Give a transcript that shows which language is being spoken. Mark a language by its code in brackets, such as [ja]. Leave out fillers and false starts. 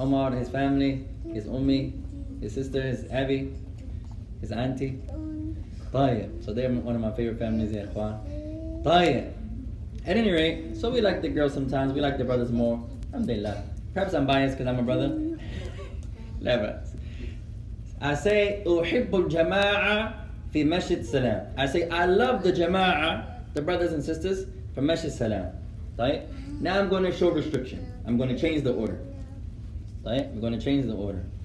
[en] Omar, his family, his ummi. His sister is Abby, his auntie. طيب. So they're one of my favorite families, [ar] يا إخوان. طيب. [en] At any rate, so we like the girls sometimes, we like the brothers more. Alhamdulillah. Perhaps I'm biased because I'm a brother. Never. I say, [ar] أحب الجماعة في مسجد السلام. [en] I say, I love the jama'ah, the brothers and sisters, from مسجد السلام. طيب. Now I'm going to show restriction. I'm going to change the order. طيب. We're going to change the order.